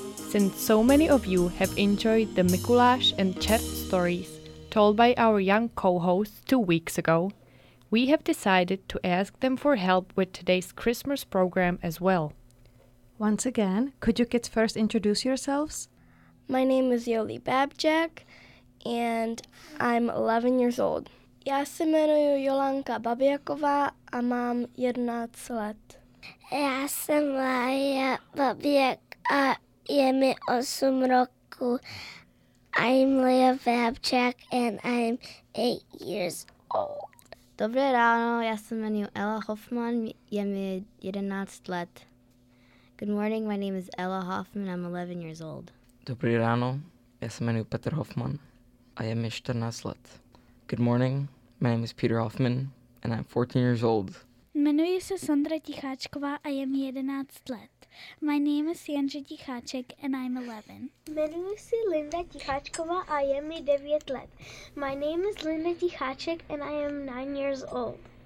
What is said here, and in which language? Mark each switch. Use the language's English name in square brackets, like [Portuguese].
[English] since so many of you have enjoyed the Mikuláš and Čert stories told by our young co-hosts 2 weeks ago, we have decided to ask them for help with today's Christmas program as well. Once again, could you kids first introduce yourselves? My name is Yoli Babček and I'm 11 years old. [Czech] Já se jmenuji Jolanka Babjaková a mám 11 let. Já jsem Lája Babjak a je mi 8 roku. [English] I'm Lea Babjak and I'm 8 years old. [Czech] Dobré ráno, já se jmenuji Ella Hoffman, je mi 11 let. [English] Good morning, my name is Ella Hoffman, I'm 11 years old. [Czech] Dobré ráno, já se jmenuji Petr Hoffman a je mi 14 let. [English] Good morning, my name is Peter Hoffman and I'm 14 years old. [Czech] Jmenuji se Sandra Ticháčková a je mi 11 let. [English] My name is Janže Ticháček and I'm 11. [Czech] Jmenuji se Linda Ticháčková a je mi 9 let. [English] My name is Linda Ticháček and I am 9 years old.